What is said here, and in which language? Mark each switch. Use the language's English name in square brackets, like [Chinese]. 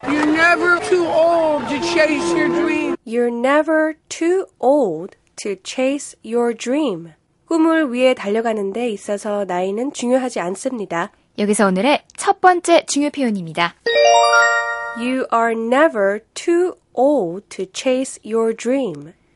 [English] You're never too old to chase your dream. You're never too old to chase your dream. [Korean] 꿈을 위해 달려가는 데 있어서 나이는 중요하지 않습니다. 여기서 오늘의 첫 번째 중요 표현입니다. [English] You are never too old to chase your dream.